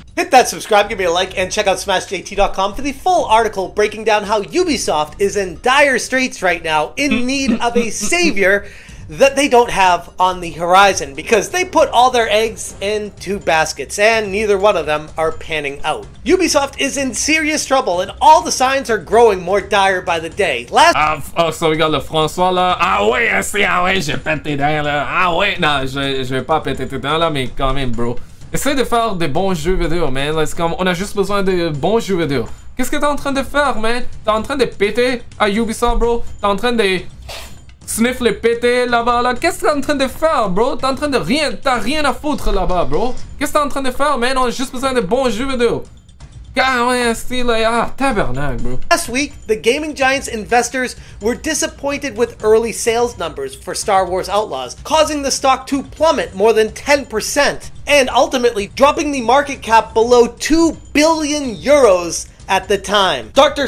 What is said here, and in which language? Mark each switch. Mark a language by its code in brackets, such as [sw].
[en] Hit that subscribe, give me a like, and check out smashjt.com for the full article breaking down how Ubisoft is in dire straits right now in need of a savior that they don't have on the horizon because they put all their eggs in two baskets and neither one of them are panning out. Ubisoft is in serious trouble and all the signs are growing more dire by the day. So we got Le François là. [fr] Ah oui, si, ah oui, j'ai pété dans là. Ah oui, non, je vais pas péter dans là, mais quand même, bro. Essaye de faire des bons jeux vidéo, man. Là, c'est comme, on a juste besoin de bons jeux vidéo. Qu'est-ce que t'es en train de faire, man? T'es en train de péter à Ubisoft, bro? T'es en train de... Sniff les pétés là-bas, là. Qu'est-ce que t'es en train de faire, bro? T'as rien à foutre là-bas, bro. Qu'est-ce que t'es en train de faire, man? On a juste besoin de bons jeux vidéo. [en] Last week, the gaming giant's investors were disappointed with early sales numbers for Star Wars Outlaws, causing the stock to plummet more than 10%, and ultimately dropping the market cap below 2 billion euros at the time. Dr.